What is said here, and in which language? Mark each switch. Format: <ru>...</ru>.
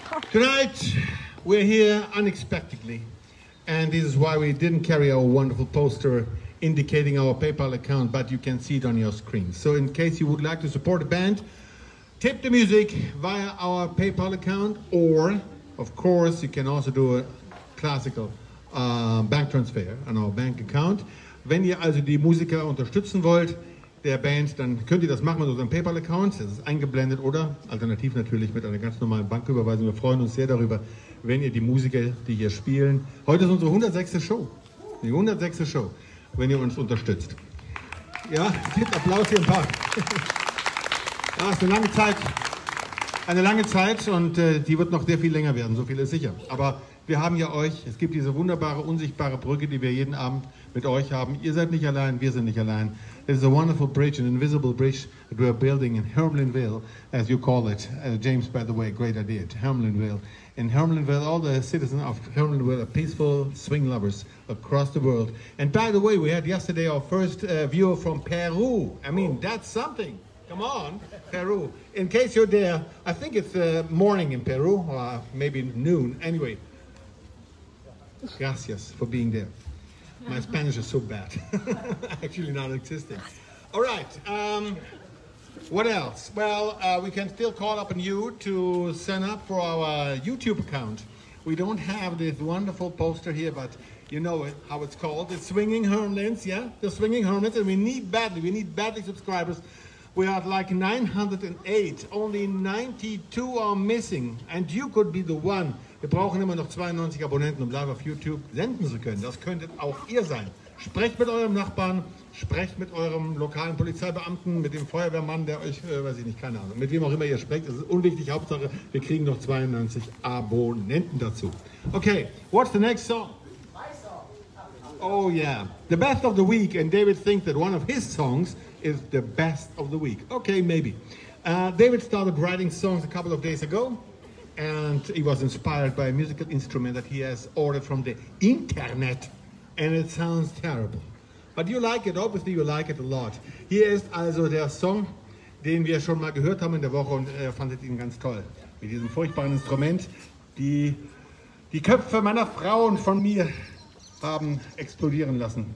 <en>Tonight, we're here unexpectedly, and this is why we didn't carry our wonderful poster indicating our PayPal account, but you can see it on your screen. So in case you would like to support a band, tip the music via our PayPal account, or, of course, you can also do a classical bank transfer on our bank account.</en> <de>Wenn ihr also die Musiker unterstützen wollt, der Band, dann könnt ihr das machen mit unserem PayPal-Account, das ist eingeblendet, oder alternativ natürlich mit einer ganz normalen Banküberweisung. Wir freuen uns sehr darüber, wenn ihr die Musiker, die hier spielen, heute ist unsere 106. Show, die 106. Show, wenn ihr uns unterstützt. Ja, gibt Applaus hier im Park. Das ist eine lange Zeit und die wird noch sehr viel länger werden, so viel ist sicher. Aber wir haben ja euch, es gibt diese wunderbare, unsichtbare Brücke, die wir jeden Abend mit euch haben. Ihr seid nicht allein, wir sind nicht allein.</de> <en>This is a wonderful bridge, an invisible bridge that we are building in Hermelinville, as you call it. James, by the way, great idea, Hermelinville. In Hermelinville, all the citizens of Hermelinville are peaceful swing lovers across the world. And by the way, we had yesterday our first viewer from Peru. I mean, that's something. Come on, Peru. In case you're there, I think it's morning in Peru, or maybe noon. Anyway, gracias for being there. My Spanish is so bad, actually non-existent. All right, what else? Well, we can still call up on you to sign up for our YouTube account. We don't have this wonderful poster here, but you know it, how it's called. The Swinging Hermelins, yeah? The Swinging Hermelins, and we need badly subscribers. We are at like 908, only 92 are missing, and you could be the one.</en> <de>Wir brauchen immer noch 92 Abonnenten, um live auf YouTube senden zu können. Das könntet auch ihr sein. Sprecht mit eurem Nachbarn, sprecht mit eurem lokalen Polizeibeamten, mit dem Feuerwehrmann, der euch, weiß ich nicht, keine Ahnung, mit wem auch immer ihr sprecht, das ist unwichtig, Hauptsache, wir kriegen noch 92 Abonnenten dazu.</de> <en>Okay, what's the next song? My song. Oh yeah, the best of the week, and David thinks that one of his songs is the best of the week. Okay, maybe. David started writing songs a couple of days ago, and he was inspired by a musical instrument that he has ordered from the internet, and it sounds terrible. But you like it, obviously you like it a lot.</en> <de>Hier ist also der Song, den wir schon mal gehört haben in der Woche und er fandet ihn ganz toll. Mit diesem furchtbaren Instrument, die Köpfe meiner Frauen von mir haben explodieren lassen.</de>